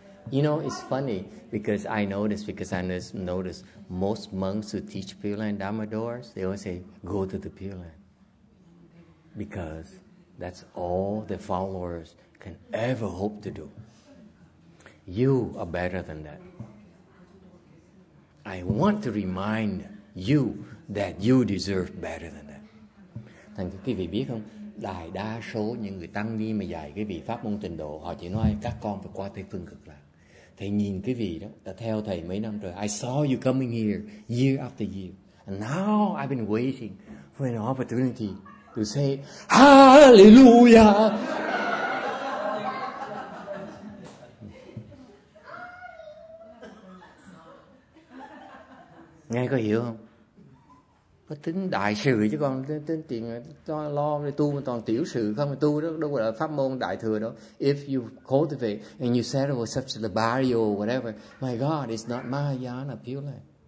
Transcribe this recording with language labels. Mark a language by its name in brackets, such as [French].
[English] You know, it's funny because I noticed, most monks who teach Pure Land Dharma doors, they always say, go to the Pure Land. Because that's all the followers can ever hope to do. You are better than that. I want to remind you that you deserve better than that. [Vietnamese] Thành thức quý vị biết không? Đại đa số những người tăng ni mà dạy cái vị pháp môn tịnh độ, họ chỉ nói các con phải qua Tây Phương Cực Lạc. Thầy nhìn cái vị đó, đã theo thầy mấy năm rồi. [English] I saw you coming here year after year. And now I've been waiting for an opportunity to say, Hallelujah! [Vietnamese] Nghe có hiểu không? Có tính đại sự chứ còn tính tiền lo tu mà toàn tiểu sự không, tu đó đâu gọi là pháp môn đại thừa đâu. [English] If you cultivate and you settle such a barrio or whatever, my God, it's not Mahayana Pure Land.